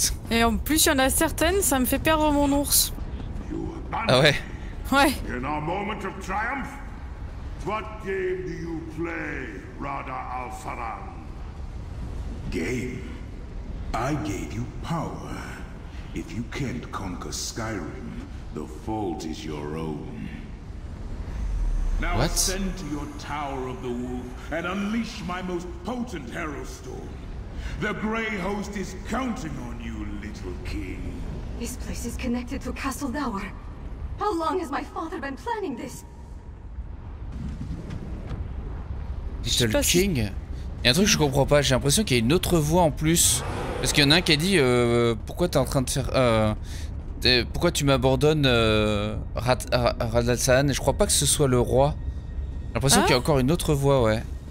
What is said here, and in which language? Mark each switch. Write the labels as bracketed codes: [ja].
[fr] Et en plus, il y en a certaines, ça me fait perdre mon ours. Ah ouais. Ouais. [en] In a moment of triumph, what game do you play, Radha Alfaran? Game. I gave you power. If you can't conquer Skyrim, the fault is your own. Now ascend to your Tower of the Wolf and unleash my most potent Harrowstorm. The Grey Host is counting on you, little king. This place is connected to Castle Dower. How long has my father been planning this? Little king? [fr] Il y a un truc que je comprends pas, j'ai l'impression qu'il y a une autre voix en plus. Parce qu'il y en a un qui a dit pourquoi t'es en train de faire. Pourquoi tu m'abandonnes Radlatsan? Et je crois pas que ce soit le roi. J'ai l'impression qu'il y a encore une autre voix, ouais.